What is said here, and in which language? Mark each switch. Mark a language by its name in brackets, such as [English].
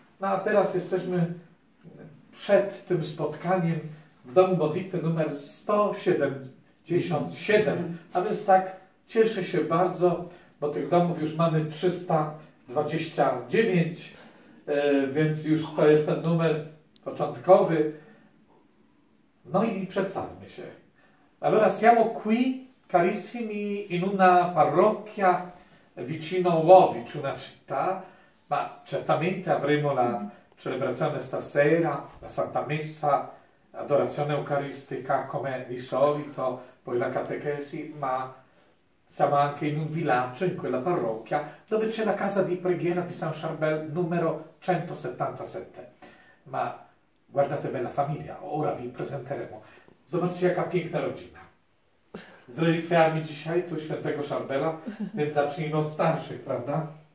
[Polish] No a teraz jesteśmy przed tym spotkaniem w domu modlitwy numer 177. A więc tak, cieszę się bardzo, bo tych domów już mamy 329. Więc już to jest ten numer początkowy. No i przedstawmy się. [Italian] Allora siamo qui, carissimi, in una parrocchia vicino Łowicz, una città. Ma certamente avremo la celebrazione stasera, la Santa Messa, adorazione eucaristica come di solito, poi la catechesi, ma siamo anche in un villaggio, in quella parrocchia, dove c'è la casa di preghiera di San Charbel numero 177. Ma guardate bella famiglia, ora vi presenteremo. [Polish] Zobaczcie jaka piękna rodzina. Z relikwiami dzisiaj, tu świętego Charbela, więc zacznijmy od starszych, prawda?